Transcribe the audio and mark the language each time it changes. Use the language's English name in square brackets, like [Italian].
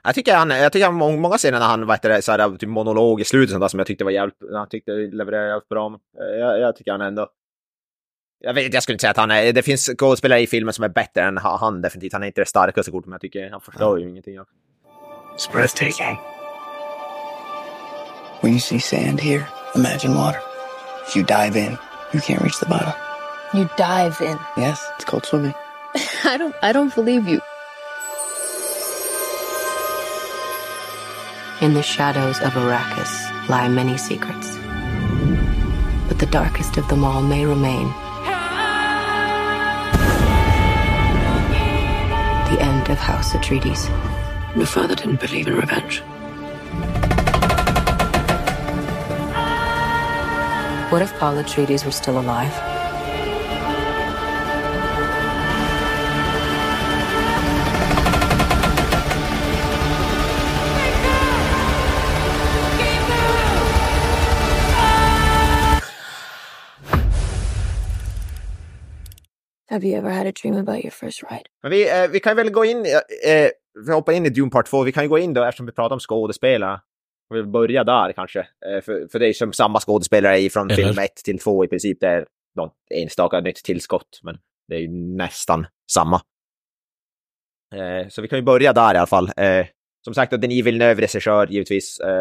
[Swedish] jag tycker han, många scener när han vet det, så här, typ monolog i slutet sånt där, som jag tyckte var jävligt, han tyckte levererade jävligt bra, men jag tycker han ändå. Jag vet, jag skulle inte säga att det finns skådespelare i filmen som är bättre än han definitivt. Han är inte det starkaste kort, men jag tycker han förstår ju ingenting. [English] It's breathtaking. When you see sand here, imagine water. If you dive in, you can't reach the bottom. You dive in? Yes, it's called swimming. I don't believe you. In the shadows of Arrakis lie many secrets. But the darkest of them all may remain. The end of House Atreides. My father didn't believe in revenge. What if Paul Atreides were still alive? Have you ever had a dream about your first ride? [Swedish] Men vi kan väl gå in, vi hoppar in i Dune Part 2. Vi kan ju gå in då, eftersom vi pratar om skådespelare. Vi börjar där kanske. För det är som samma skådespelare från film 1 till 2 i princip. Det är något enstaka nytt tillskott, men det är ju nästan samma. Så vi kan ju börja där i alla fall. Som sagt, Denis Villeneuve-regissör givetvis.